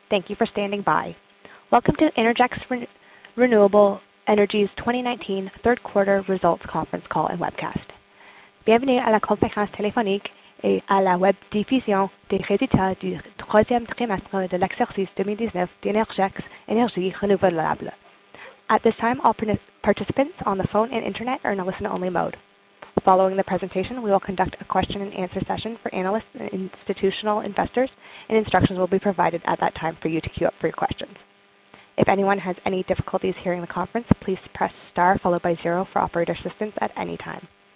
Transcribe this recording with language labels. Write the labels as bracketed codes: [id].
[en] Thank you for standing by. Welcome to Innergex Renewable Energy's 2019 third quarter results conference call and webcast. [fr] Bienvenue à la conférence téléphonique et à la web diffusion des résultats du troisième trimestre de l'exercice 2019 d'Innergex Énergie Renouvelable. [en] At this time, all participants on the phone and internet are in a listen-only mode. Following the presentation, we will conduct a question and answer session for analysts and institutional investors, and instructions will be provided at that time for you to queue up for your questions. If anyone has any difficulties hearing the conference, please press star followed by zero for operator assistance at any time.